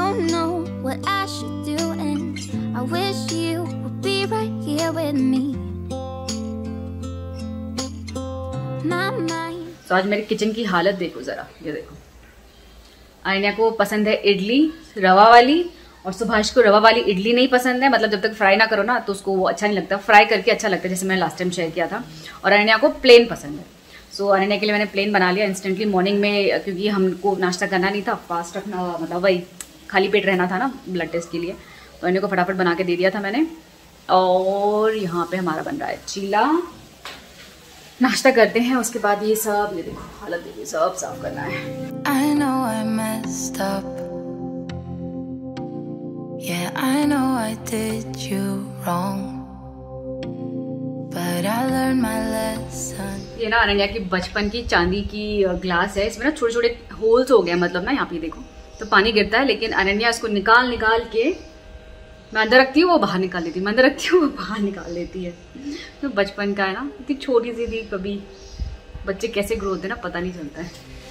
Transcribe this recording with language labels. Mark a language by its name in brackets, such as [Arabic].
[English] Know what I should do, and I wish you would be right here with me. My mind. So, [Hindi] आज मेरे kitchen की हालत देखो जरा, ये देखो। आइना को पसंद है इडली रवा वाली, और सुभाष को रवा वाली इडली नहीं पसंद है, मतलब जब तक फ्राई ना करो ना तो उसको वो अच्छा नहीं लगता, फ्राई करके अच्छा लगता है जैसे मैंने लास्ट टाइम शेयर किया था। और आइना को प्लेन पसंद है, सो अनन्या के लिए मैंने प्लेन बना लिया इंस्टेंटली मॉर्निंग में, क्योंकि हमको नाश्ता करना नहीं था, फास्ट रखना मतलब वही खाली पेट रहना था ना ब्लड टेस्ट के लिए, तो अनन्या को फटाफट बना के दे दिया था मैंने। और यहाँ पे हमारा बन रहा है चीला, नाश्ता करते हैं उसके बाद ये सब, ये देखो हालत देखिए, सब साफ करना है। [English] I know I messed up. Yeah, I know I did you wrong. But I learned my lesson. [Hindi] ये ना अनन्या की बचपन की चांदी की ग्लास है, इसमें ना छोटे छोटे होल्स हो गए, मतलब ना यहाँ पे देखो तो पानी गिरता है, लेकिन अनन्या इसको निकाल निकाल के मैं अंदर रखती हूँ वो बाहर निकाल लेती है, मैं अंदर रखती हूँ वो बाहर निकाल लेती है। तो बचपन का है ना, इतनी छोटी सी थी, कभी बच्चे कैसे ग्रो होते ना पता नहीं चलता है।